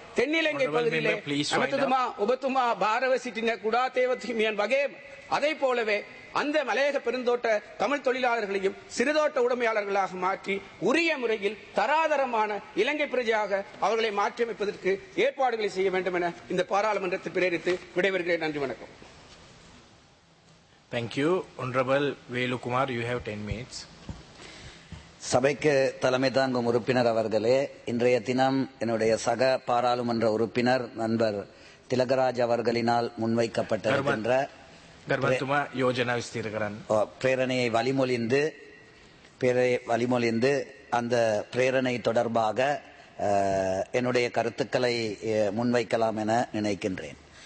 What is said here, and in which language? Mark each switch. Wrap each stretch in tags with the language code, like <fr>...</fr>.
<ta>தென்னிலங்கை பகுதியிலே</ta> <si>அமத்துதுமா உபத்துமா பாரவசிட்டின குடா தேவத்தின் வகே,</si> <ta>அதே போலவே அந்த மலையக பெருந்தோட்ட தமிழ் தொழிலாளர்களையும் சிறுதோட்ட உடைமையாளர்களாக மாற்றி உரிய முறையில் தராதரமான இலங்கை பிரஜையாக அவர்களை மாற்றியமைப்பதற்கு ஏற்பாடுகளை செய்ய வேண்டும் என இந்த பாராளுமன்றத்தை பிரேரித்து விடைபெறுகிறேன். நன்றி, வணக்கம்.</ta> <en>Thank you. Honorable Velukumar, you have 10 minutes.</en> <ta>சபைக்கு தலைமை தாங்கும் உறுப்பினர் அவர்களே, இன்றைய தினம் என்னுடைய சக பாராளுமன்ற உறுப்பினர் நண்பர் திலகராஜ் அவர்களினால் முன்வைக்கப்பட்டிருக்கின்ற பிரேரணையை வழிமொழிந்து அந்த பிரேரணை தொடர்பாக என்னுடைய கருத்துக்களை முன்வைக்கலாம் என நினைக்கின்றேன்.</ta>